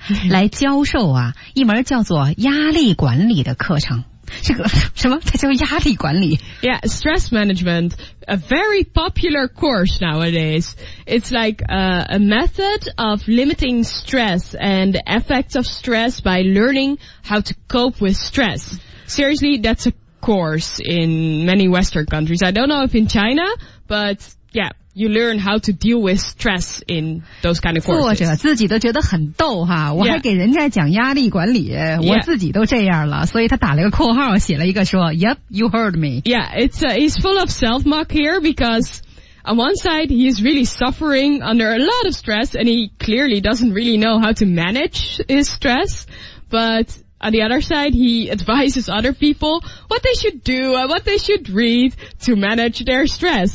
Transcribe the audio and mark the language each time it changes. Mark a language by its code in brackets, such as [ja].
[zh] 来教授啊一门叫做压力管理的课程。这个什么它叫压力管理 [en] Yeah, stress management, a very popular course nowadays. It's like a method of limiting stress and effects of stress by learning how to cope with stress. Seriously, that's a course in many Western countries. I don't know if in China, but yeah. You learn how to deal with stress in those kind of courses. [zh] 作者自己都觉得很逗哈，我还给人家讲压力管理， [en] yeah. [zh] 我自己都这样了，所以他打了一个括号，写了一个说 ， [en] Yep, you heard me. Yeah, he's full of self-mock here because on one side he's really suffering under a lot of stress and he clearly doesn't really know how to manage his stress, but on the other side he advises other people what they should do and what they should read to manage their stress